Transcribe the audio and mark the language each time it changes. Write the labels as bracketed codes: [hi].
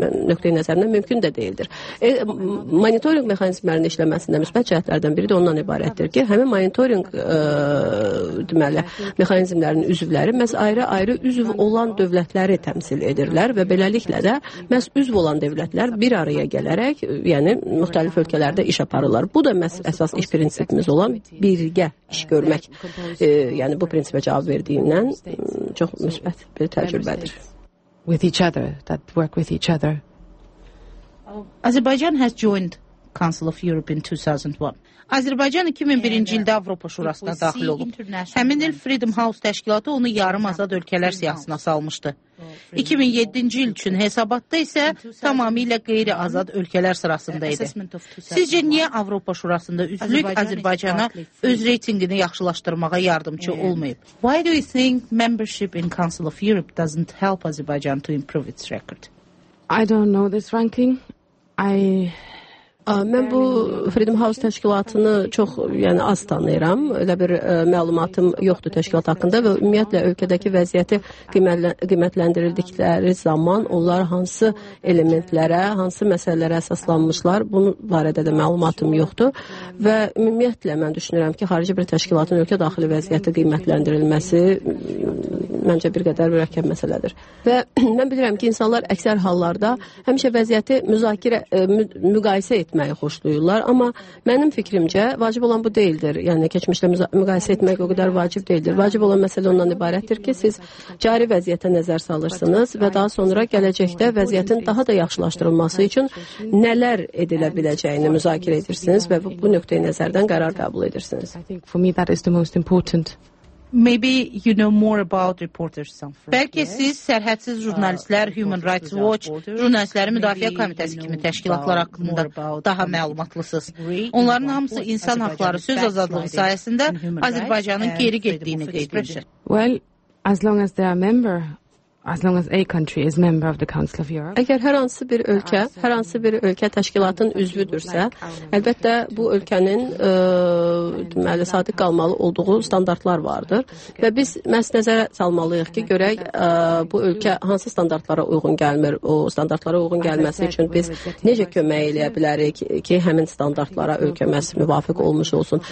[az] Nöqteyi nəzərindən mümkün də deyildir. Monitoring mexanizmlərinin işləməsində müsbət cəhətlərdən biri də ondan ibarətdir ki, həmin monitoring deməli mexanizmlərinin üzvləri məhz ayrı-ayrı üzv olan dövlətləri təmsil edirlər və beləliklə də məhz üzv olan dövlətlər bir araya gələrək, yəni müxtəlif ölkələrdə iş aparırlar. Bu da məhz əsas iş prinsipimiz olan birgə iş görmək, yəni bu prinsipə cavab verdiyindən çox müsbət bir təcrübədir. [en] With each other, that work with each other. Azərbaycan has joined Council of Europe in 2001. [az] Azərbaycan 2001-ci ildə Avropa Şurasına daxil olub. Həmin il Freedom House təşkilatı onu yarım azad ölkələr siyahısına salmışdı. 2007-ci il üçün hesabatda isə tamamilə qeyri-azad ölkələr sırasında idi. Sizcə niyə Avropa Şurasında üzvlük Azərbaycana öz reytingini yaxşılaşdırmağa yardımcı olmayıb? [en] Why do you think membership in Council of Europe doesn't help Azerbaijan to improve its record? I don't know this ranking. [az] Mən bu Freedom House təşkilatını çox, yəni az tanıyıram. Elə bir məlumatım yoxdur təşkilat haqqında və ümumiyyətlə ölkədəki vəziyyəti qiymətləndirildikləri zaman onlar hansı elementlərə, hansı məsələlərə əsaslanmışlar, bunun barədə də məlumatım yoxdur. Və ümumiyyətlə mən düşünürəm ki, xarici bir təşkilatın ölkə daxili vəziyyəti qiymətləndirilməsi məncə bir qədər mürəkkəb məsələdir. Və mən bilirəm ki, insanlar əksər hallarda həmişə vəziyyəti müqayisə etməyi xoşlayırlar. Amma mənim fikrimcə vacib olan bu deyildir. Yəni keçmişlə müqayisə etmək o qədər vacib deyildir. Vacib olan məsələ ondan ibarətdir ki, siz cari vəziyyətə nəzər salırsınız və daha sonra gələcəkdə vəziyyətin daha da yaxşılaşdırılması üçün nələr edilə biləcəyini müzakirə edirsiniz və bu nöqteyi nəzərdən qərar qəbul edirsiniz. [en] Maybe you know more about reporters some. [az] Bəlkə siz sərhədsiz jurnalistlər, Human Rights Watch, jurnalistlərin müdafiə komitəsi kimi təşkilatlar haqqında daha məlumatlısınız. Onların hamısı insan haqları, söz azadlığı sayəsində Azərbaycanın geri getdiyini qeyd edir. [en] Well, as long as they are member As long as a country is member of the Council of Europe. [az] Əgər hər hansı bir ölkə, hər hansı bir ölkə təşkilatın üzvüdürsə, əlbəttə bu ölkənin deməli sadiq qalmalı olduğu standartlar vardır və biz məhz nəzərə salmalıyıq ki, görək bu ölkə hansı standartlara uyğun gəlmir, o standartlara uyğun gəlməsi üçün biz necə kömək eləyə bilərik ki, həmin standartlara ölkəmiz müvafiq olmuş olsun.